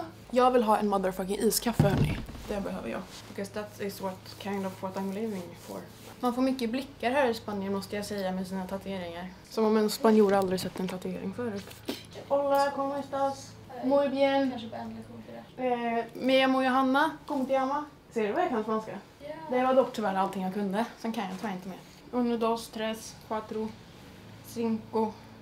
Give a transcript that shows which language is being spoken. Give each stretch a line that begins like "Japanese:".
Swedish: Jag vill ha en motherfucking iskaffe hörni. Det behöver jag.
English: Because that is what kind of what I'm living for.
Swedish: Man får mycket blickar här i Spanien måste jag säga med sina tatueringar. Som om en spanjor aldrig sett en tatuering förut.
Spanish: Hola, ¿cómo estás? Muy bien.
Swedish: Kanske på
Spanish: engelska. Me llamo Johanna. ¿Cómo te llamas?
Swedish: Ser du vad jag kan spanska?
English: Yeah.
Swedish: Det var dock tyvärr allting jag kunde. Sen kan jag tyvärr inte mer.
Spanish: Uno, dos, tres, cuatro, cinco,